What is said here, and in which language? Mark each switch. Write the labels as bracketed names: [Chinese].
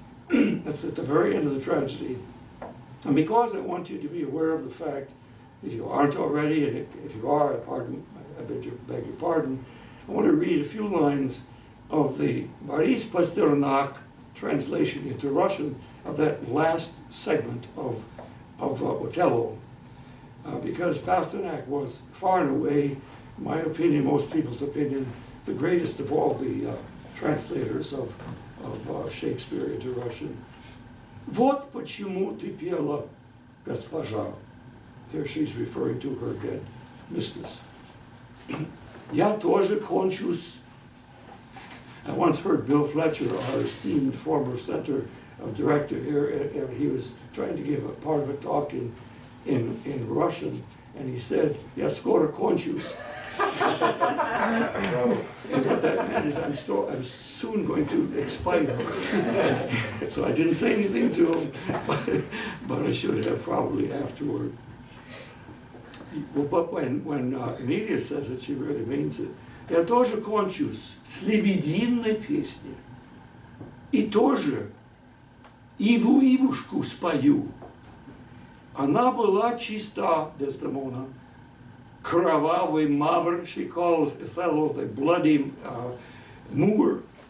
[English] That's at the very end of the tragedy. And because I want you to be aware of the fact, if you aren't already, and if you are, I beg your pardon, I want to read a few lines of the Boris Pasternak translation into Russian of that last segment of Otello. Because Pasternak was far and away, in my opinion, most people's opinion, the greatest of all the translators of Shakespeare into Russian. [Russian] Вот почему ты пела, госпожа. [English] Here she's referring to her dead mistress. [Russian] Я тоже кончусь. [English] I once heard Bill Fletcher, our esteemed former center of director here, and he was trying to give a part of a talk in Russian, and he said, [Russian] Я скоро кончусь. [English] And what that meant is I'm soon going to expire. So I didn't say anything to him, but I should have probably afterward. Well, but when Emilia says it, she really means it. [Russian] Я тоже кончусь с лебединой песней. И тоже Иву Ивушку спою. Она была чиста, Дездемона. Кровавый мавр, [English] she calls Othello the bloody Moor.